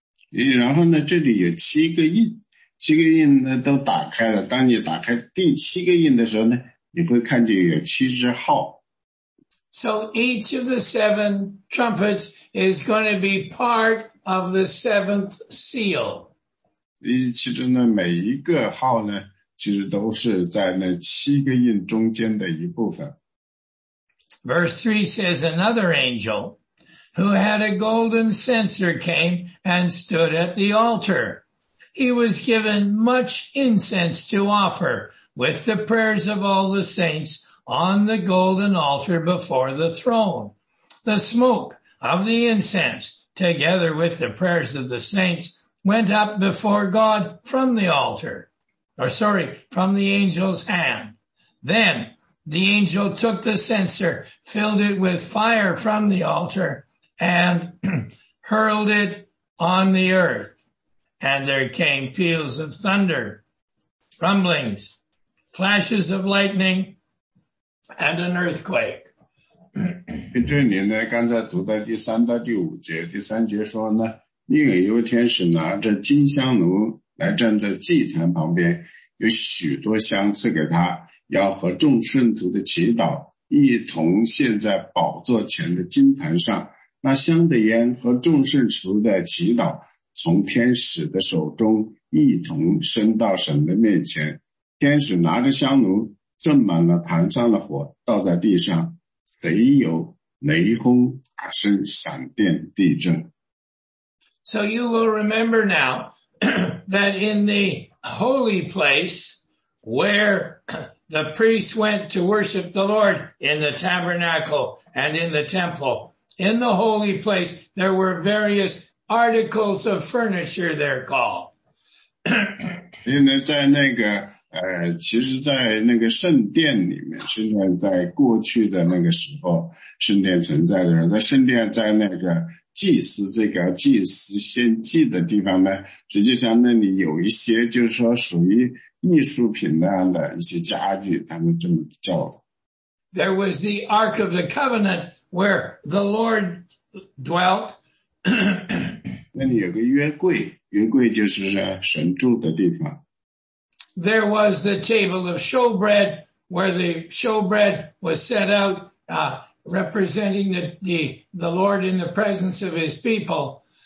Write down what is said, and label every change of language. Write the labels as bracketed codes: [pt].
[zh] 然后呢，这里有七个印，七个印呢都打开了，当你打开第七个印的时候呢，你会看见有七支号。 [en] So each of the 7 trumpets is going to be part of the 7th seal. [zh] 其中的每一个号呢，其实都是在那七个印中间的一部分。 [en] Verse 3 says, Another angel who had a golden censer came and stood at the altar. He was given much incense to offer with the prayers of all the saints on the golden altar before the throne. The smoke of the incense together with the prayers of the saints,went up before God from the altar, or sorry, from the angel's hand. Then the angel took the censer, filled it with fire from the altar, and hurled it on the earth. And there came peals of thunder, rumblings, flashes of lightning, and an earthquake. [zh] 根据您呢，刚才读的第三到第五节，第三节说呢，另一位天使拿着金香炉来站在祭坛旁边，有许多香赐给他，要和众圣徒的祈祷一同献在宝座前的金坛上。那香的烟和众圣徒的祈祷从天使的手中一同升到神的面前。天使拿着香炉，正满了坛上的火，倒在地上，随有雷轰、大声、闪电、地震。 [en] So you will remember now that in the holy place where the priests went to worship the Lord in the tabernacle and in the temple, in the holy place, there were various articles of furniture they're called. [zh] 因为在那个其实在那个圣殿里面，圣殿在过去的那个时候，圣殿存在的时候，在圣殿在那个祭司这个祭司献祭的地方呢，实际上那里有一些就是说属于艺术品那样的一些家具，他们这么叫的。 [en] There was the Ark of the Covenant, where the Lord dwelt. [zh] 那里有个约柜，约柜就是神住的地方。 [en] There was the table of showbread where the showbread was set out, representing the Lord in the presence of his people.